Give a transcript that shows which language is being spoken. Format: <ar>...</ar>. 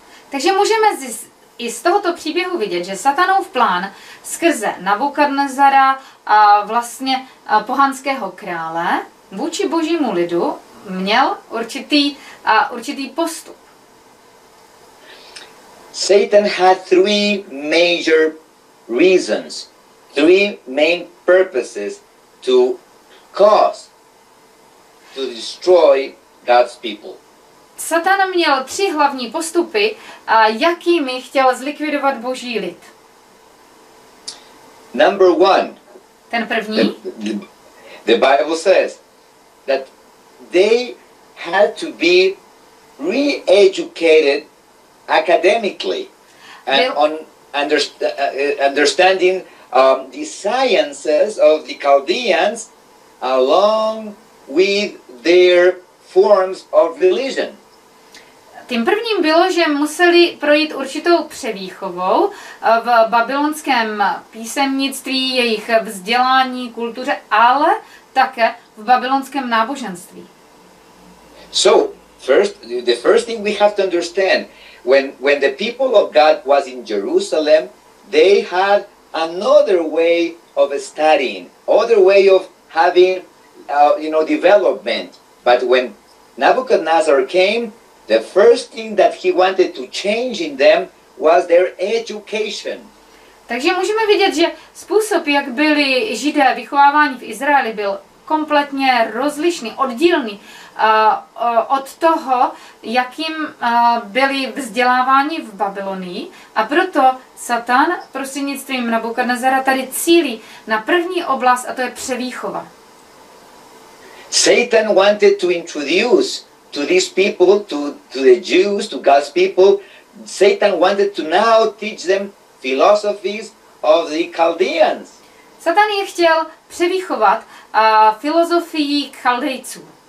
<cs>Takže můžeme i z tohoto příběhu vidět, že Satanův plán skrze Nebuchadnezzara a vlastně pohanského krále vůči božímu lidu měl určitý postup.</cs> <en>Satan had three major reasons, three main purposes to cause, to destroy God's people.</en> <cs>Satan měl tři hlavní postupy, jakými chtěl zlikvidovat boží lid.</cs> <en>Number one.</en> <cs>Ten první.</cs> <en>The Bible says that they had to be re-educated academically and on understanding the sciences of the Chaldeans along with their forms of religion.</en> <cs>Tím prvním bylo, že museli projít určitou převýchovou v babylonském písemnictví, jejich vzdělání, kultuře, ale také v babylonském náboženství.</cs> <en>So, first, the first thing we have to understand, when the people of God was in Jerusalem, they had another way of studying, other way of having, you know, development. But when Nebuchadnezzar came, the first thing that he wanted to change in them was their education.</en> <cs>Takže můžeme vidět, že způsob, jak byli Židé vychováváni v Izraeli, byl kompletně rozlišný, oddílný od toho, jakým byli vzděláváni v Babylonii. A proto Satan prostřednictvím Nebukadnezara tady cílí na první oblast, a to je převýchova.</cs> <en>Satan wanted to introduce to these people, to the Jews, to God's people, Satan wanted to now teach them philosophies of the Chaldeans.</en> <cs>Satan je chtěl převychovat filozofii Chaldejců.</cs>